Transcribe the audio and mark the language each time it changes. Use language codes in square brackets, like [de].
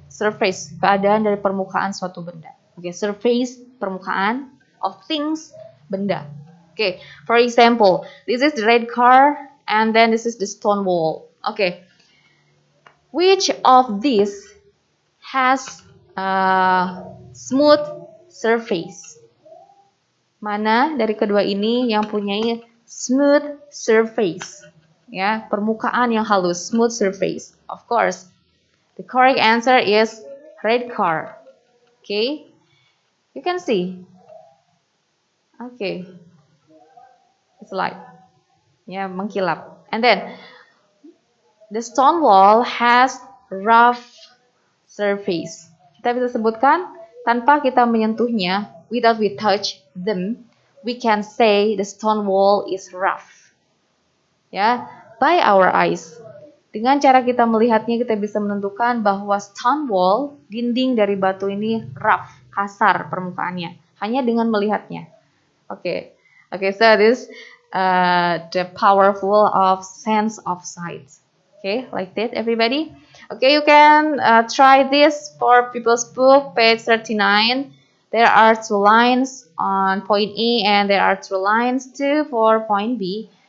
[id] Surface, keadaan dari permukaan suatu benda. [en] Okay, surface, permukaan of things, benda. Okay, for example, this is the red car, and then this is the stone wall. Okay, which of these has a smooth surface? [id] Mana dari kedua ini yang punya smooth surface? Ya, permukaan yang halus, smooth surface. [en] Of course, the correct answer is red car. Okay, you can see. Okay, it's light. [id] Ya, mengkilap. [en] And then, the stone wall has rough surface. [id] Kita bisa sebutkan tanpa kita menyentuhnya, [en] without we touch them, we can say the stone wall is rough. Ya, by our eyes. [id] Dengan cara kita melihatnya, kita bisa menentukan bahwa stone wall, dinding dari batu ini rough, kasar permukaannya. Hanya dengan melihatnya. [en] Okay. Okay, so this is the powerful of sense of sight. Okay, like that, everybody? Okay, you can try this for people's book, page 39. There are two lines on point A, and there are two lines too for point B.